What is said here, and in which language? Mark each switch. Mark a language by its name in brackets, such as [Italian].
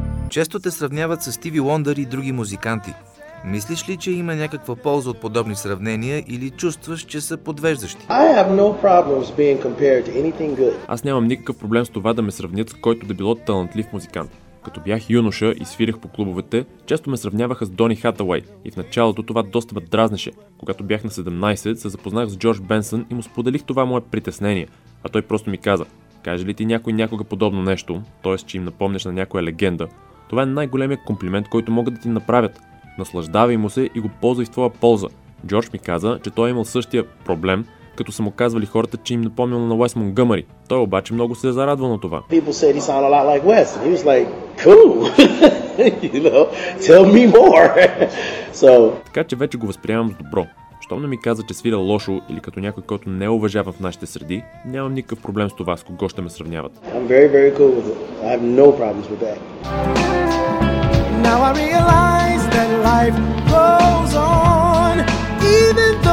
[Bulgarian] Често те сравняват с Стиви Уондър и други музиканти. Мислиш ли, че има някаква полза от подобни сравнения или чувстваш, че са подвеждащи? [English] I have no problems being compared to anything good. [Bulgarian] Аз нямам никакъв проблем с това да ме сравнят с който да било талантлив музикант. Като бях юноша и свирих по клубовете, често ме сравняваха с Дони Хатауей и в началото това доста ме дразнеше. Когато бях на 17, се запознах с Джордж Бенсън и му споделих това мое притеснение, а той просто ми каза: каже ли ти някой някога подобно нещо, т.е. че им напомнеш на някоя легенда, това е най-големият комплимент, който могат да ти направят. Наслаждавай му се и го ползвай в твоя полза. Джордж ми каза, че той е имал същия проблем, като са му казвали хората, че им напомнял на Уес Монтгомери. Той обаче много се е зарадвал на това. [English] People said he sounded a lot like Wes. He was like, cool. You know, tell me more. So... [Bulgarian] Така че вече го възприемам с добро. Щом не ми каза, че свиря лошо или като някой, който не е уважаван в нашите среди, нямам никакъв проблем с това, с кого ще ме сравняват. [English] I'm very, very cool with it. I have no problems with that. Now I realize that life goes on, even